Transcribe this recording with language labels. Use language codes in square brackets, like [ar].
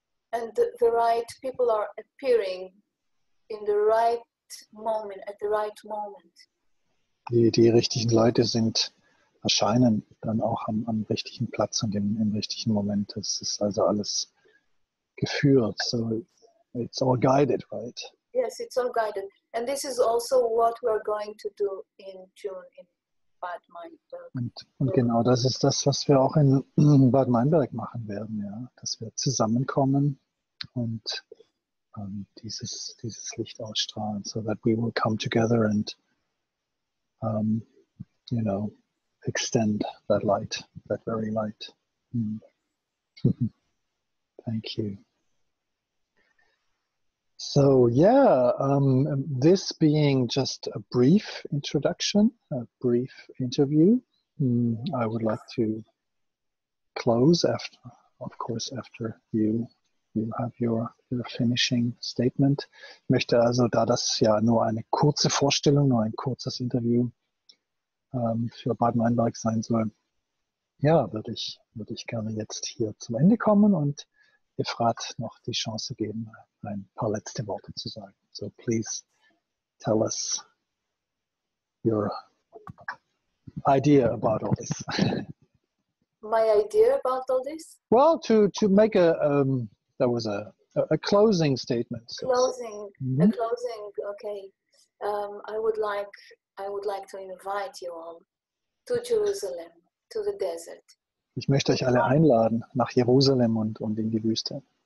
[en] And the right people are appearing in the right moment, at the right moment. [de] Die richtigen Leute erscheinen dann auch am richtigen Platz und im richtigen Moment. Das ist also alles geführt. [en] So it's all guided, right? Yes, it's all guided. And this is also what we're going to do in June in Bad Meinberg. [de] Und genau das ist das, was wir auch in Bad Meinberg machen werden, ja. Dass wir zusammenkommen und dieses Licht ausstrahlen, [en] so that we will come together and you know, extend that light, that very light. Thank you. So yeah, this being just a brief introduction, a brief interview, I would like to close after you have your finishing statement. [de] Ich möchte also, da das ja nur eine kurze Vorstellung, nur ein kurzes Interview für Bad Meinberg sein soll, ja, würde ich gerne jetzt hier zum Ende kommen und Efrat noch die Chance geben, ein paar letzte Worte zu sagen. [en] So please tell us your idea about all this. My idea about all this? Well, to make that was a closing statement. So. Closing, mm-hmm. A closing. Okay, I would like to invite you all to Jerusalem, to the desert. [de] Ich möchte euch alle einladen nach Jerusalem und in die Wüste.